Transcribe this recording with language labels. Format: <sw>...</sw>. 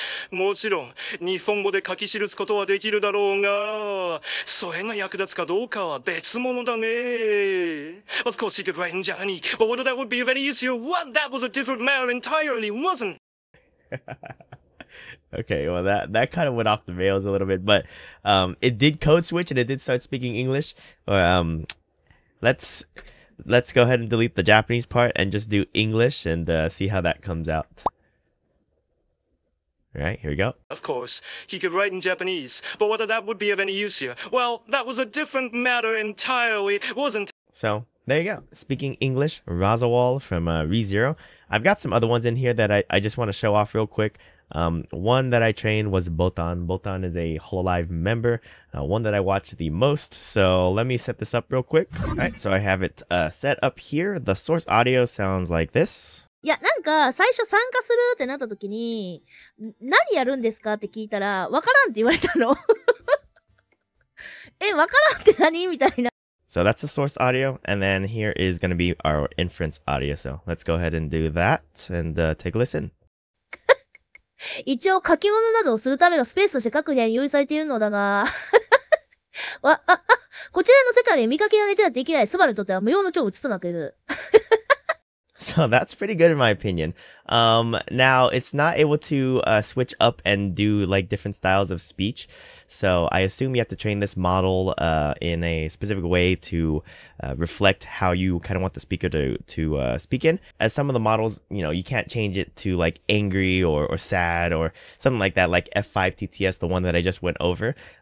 <ja>もちろん日本語で書き記すことはできるだろうが、それが役立つかどうかは別物だね。</ja> <en>Of course, you could write in Japanese. Although that would be very easier. What? That was a different matter entirely, wasn't it? Okay, well, that kind of went off the rails a little bit, but it did code switch and it did start speaking English. Or let's go ahead and delete the Japanese part and just do English and see how that comes out. Right, here we go. Of course, he could write in Japanese, but whether that would be of any use here, well, that was a different matter entirely, wasn't it? So, there you go. Speaking English, Rosawall from ReZero. I've got some other ones in here that I just want to show off real quick. One that I trained was Botan. Botan is a Hololive member, one that I watch the most. So let me set this up real quick. All right, so I have it set up here. The source audio sounds like this.</en> <ja>いや、なんか、最初参加するってなった時に、何やるんですかって聞いたら、わからんって言われたの。え、わからんって何みたいな。</ja> <en>So that's the source audio, and then here is gonna be our inference audio. So let's go ahead and do that, and take a listen.</en> <ja>一応、書き物などをするためのスペースとして各部屋に用意されているのだが、こちらの世界で見かけられてはできない、スバルにとっては無用の長物となける。</ja> <en>So that's pretty good in my opinion. Now it's not able to switch up and do like different styles of speech. So I assume you have to train this model in a specific way to reflect how you kind of want the speaker to speak in. As some of the models, you know, you can't change it to like angry or sad or something like that, like F5 TTS, the one that I just went over.</en>